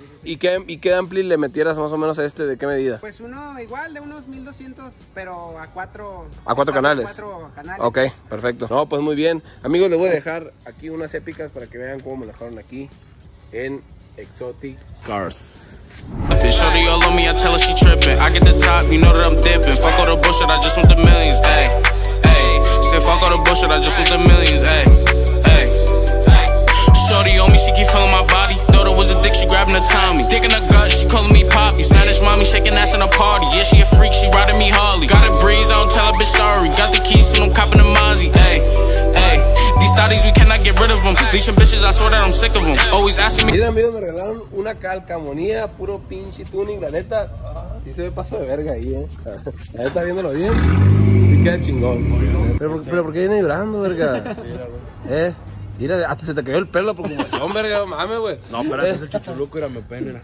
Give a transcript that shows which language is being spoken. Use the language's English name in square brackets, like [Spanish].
[Spanish] ¿Y qué ampli le metieras más o menos a este? ¿De qué medida? Pues uno igual, de unos 1200, pero a 4... ¿A 4 canales? A 4 canales. Ok, perfecto. No, pues muy bien. Amigos, les voy a dejar aquí unas épicas para que vean cómo me dejaron aquí en Exotic Cars. [English] A bitch shorty all on me, I tell her she trippin'. I get the top, you know that I'm dippin'. Fuck all the bullshit, I just want the millions, ayy, ayy. Say fuck all the bullshit, I just want the millions, ayy, ayy. Shorty on me, she keep feelin' my body. Thought it was a dick, she grabbin' a Tommy. Dick in her gut, she callin' me poppy. Spanish mommy, shakin' ass in a party. Yeah, she a freak, she ridin' me Harley. Got a breeze, I don't tell a bitch sorry. Got the keys, and I'm coppin' a Mozzie, ayy, ayy. These thotties, we cannot get rid of them. Leechin' bitches, I swear that I'm sick of them. Always asking me. [Spanish] Mira, amigos, me regalaron una calcamonía, puro pinche tuning. La neta, sí se ve paso de verga ahí, La neta, viéndolo bien, sí queda chingón. Pero ¿por qué viene vibrando, verga? Mira, hasta se te cayó el pelo por confusión, verga, mames, güey. No, pero ese es el chuchuluco, era mi pena.